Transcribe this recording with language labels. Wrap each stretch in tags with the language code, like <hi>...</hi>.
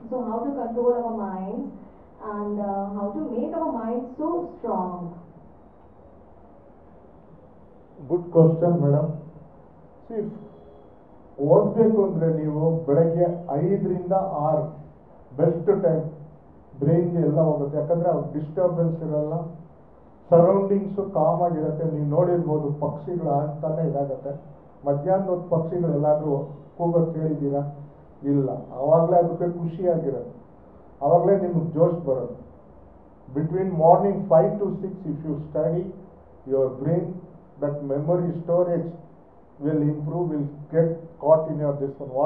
<en>So how to control our mind and how to make our mind so strong? Good question madam.</en> <kn>ಸಿಫ್ ಓದಬೇಕು ಅಂದರೆ ನೀವು ಬೆಳಗ್ಗೆ 5-6 best time, ಬ್ರೈನ್ಗೆ ಎಲ್ಲ ಹೋಗುತ್ತೆ, ಯಾಕಂದರೆ ಅವ್ರು ಡಿಸ್ಟರ್ಬೆನ್ಸ್ ಇರಲ್ಲ, ಸರೌಂಡಿಂಗ್ಸು ಕಾಮ್ ಆಗಿರುತ್ತೆ. ನೀವು ನೋಡಿರ್ಬೋದು ಪಕ್ಷಿಗಳು ಆಗ್ತಾನೆ ಇದಾಗತ್ತೆ, ಮಧ್ಯಾಹ್ನದ ಪಕ್ಷಿಗಳೆಲ್ಲಾದರೂ ಕೂಗೋದು ಕೇಳಿದ್ದೀರಾ? ಇಲ್ಲ. ಆವಾಗಲೇ ಅದಕ್ಕೆ ಖುಷಿಯಾಗಿರೋದು, ಆವಾಗಲೇ ನಿಮಗೆ ಜೋಶ್ ಬರೋದು.</kn> <en>Between morning 5-6 if you study your brain, that memory storage will improve, will get caught in your this one.</en>